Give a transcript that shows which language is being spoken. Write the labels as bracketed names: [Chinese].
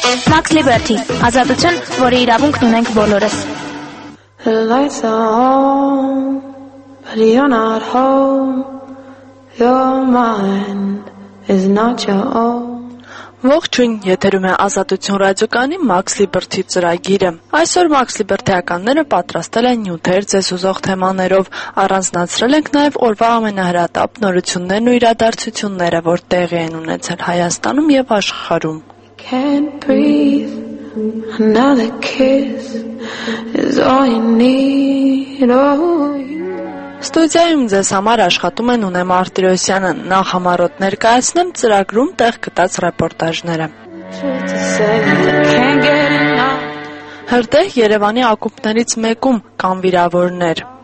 [Armenian] Մաքս Լիբերթի, ազատություն, որը իրավունքն ունենք բոլորս։ [English] The lights are on, but you're not home, your mind is not your own. [Armenian] Ողջույն, եթերում է Ազատություն ռադիոկանի Max Liberty ծրագիրը։ Այսօր Max Liberty-ականները պատրաստել են նյութեր ձեզ ուզող թեմաներով, առանձնացրել ենք նաև օրվա ամենահրատապ նորություններն ու իրադարձությունները, որ տեղի են ունեցել Հայաստանում և աշխարում։ [English] Can't breathe, another kiss is all you need, oh. [Armenian] Ստուդիայում ձեզ համար աշխատում են Ունե Մարտիրոսյանը, նախ համարոտ ներկայացնեմ ծրագրում տեղ գտած ռեպորտաժները։ Հրդեհ Երևանի ակումբներից մեկում կան վիրավորներ։